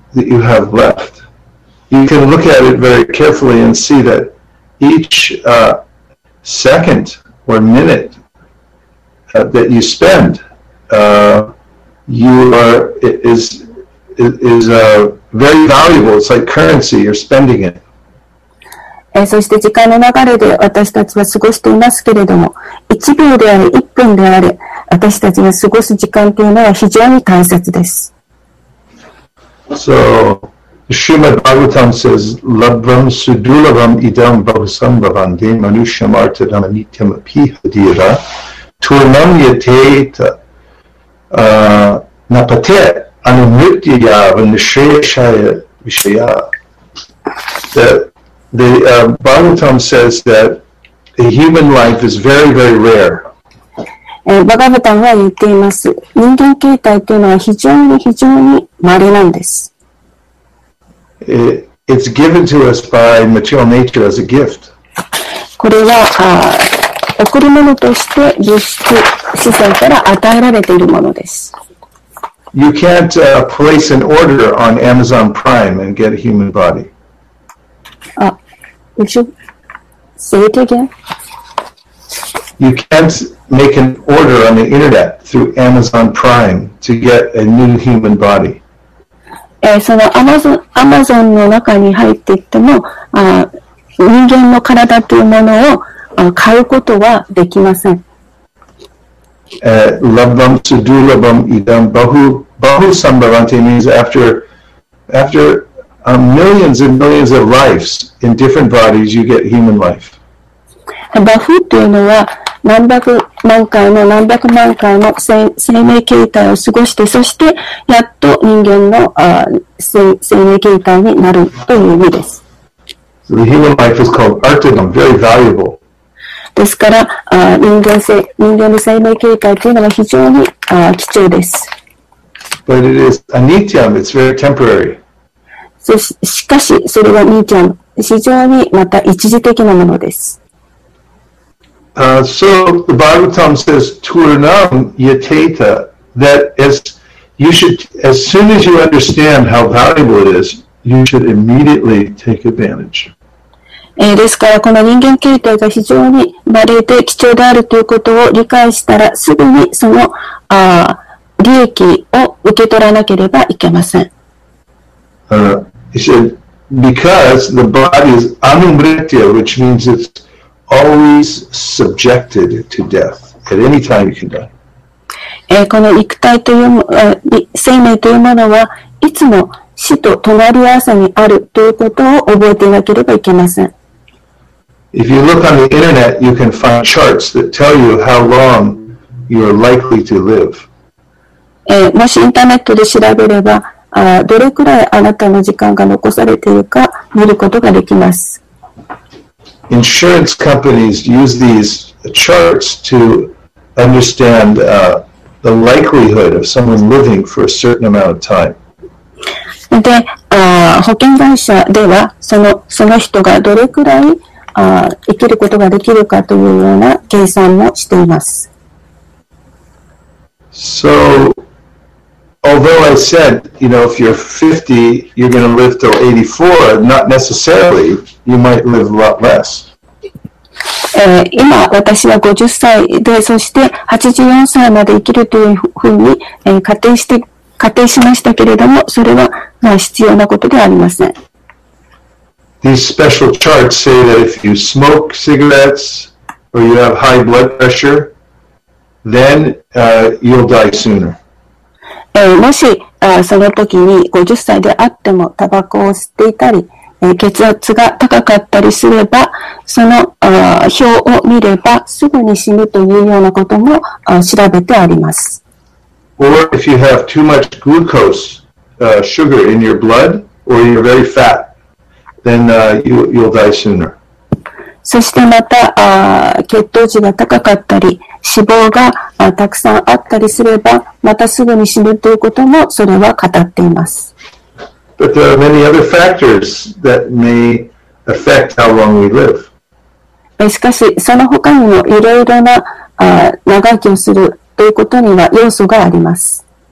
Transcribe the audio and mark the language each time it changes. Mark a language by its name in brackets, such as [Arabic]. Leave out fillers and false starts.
[English] That you have left, you can look at it very carefully and see that each second or minute that you spend, very valuable. It's like currency. You're spending it. [Japanese] そして時間の流れで私たちは過ごしていますけれども、1秒であれ、1分であれ、私たちが過ごす時間というのは非常に大切です。 [English] So, Srimad Bhagavatam says, [Sanskrit] Labvam Sudulavam Idam Bhavasam Bhavande Manushyam Artadam Anityam Apihadira Turnam Yate napate anumritya vanishreshaya vishaya. [English] The Bhagavatam says that the human life is very, very rare. [Japanese] Bhagavatam は言っています。人間形態というのは非常に非常に稀なんです。 [English] It's given to us by material nature as a gift. [Japanese] これは贈り物として物質自然から与えられているものです。 [English] You can't place an order on Amazon Prime and get a human body. Would you say it again? You can't make an order on the internet through Amazon Prime to get a new human body. [Japanese] そのAmazonの中に入っていっても、人間の体というものを買うことはできません。 [Sanskrit] Labham sudulabham idam bahu bahu sambhavante [English] means after millions and millions of lives in different bodies, you get human life. [Japanese] バフというのは何百万回も何百万回も生命形態を過ごして、そしてやっと人間の生命形態になるという意味です。 [English] So、the human life is called artanam, very valuable. [Japanese] ですから人間の生命形態というのは非常に貴重です。 [English] But it is anityam, it's very temporary. [Japanese] しかしそれはニーチャン、非常にまた一時的なものです。 [English] So the Bhagavatam says, [Sanskrit] "Turnam yateta." [English] That is, you should, as soon as you understand how valuable it is, you should immediately take advantage. [Japanese] ですから、この人間形態が非常に稀で貴重であるということを理解したら、すぐにその利益を受け取らなければいけません。 [English] He said, "Because the body is anumritya, which means it's." Always subjected to death at any time you can die. [Japanese] この肉体という生命というものはいつも死と隣り合わせにあるということを覚えていなければいけません。 [English] If you look on the internet, you can find charts that tell you how long you are likely to live. [Japanese] もしインターネットで調べれば、どれくらいあなたの時間が残されているか見ることができます。 [English] Insurance companies use these charts to understand the likelihood of someone living for a certain amount of time. [Japanese] で、保険会社ではその人がどれくらい生きることができるかというような計算もしています。 [English] So, although I said, you know, if you're 50, you're going to live till 84, not necessarily, you might live a lot less. [Japanese] 今私は50歳で、そして84歳まで生きるというふうに仮定しましたけれども、それはまあ必要なことではありません。 [English] These special charts say that if you smoke cigarettes or you have high blood pressure, then you'll die sooner. [Japanese] もしその時に50歳であってもタバコを吸っていたり血圧が高かったりすれば、その表を見ればすぐに死ぬというようなことも調べてあります。 [English] Or if you have too much glucose sugar in your blood, or you're very fat, then you'll die sooner. [Japanese] そしてまた血糖値が高かったり脂肪がたくさんあったりすれば、またすぐに死ぬということもそれは語っています。 [English] But there are many other factors that may affect how long we live. [Japanese] しかし、その他にもいろいろな長生きをするということには要素があります。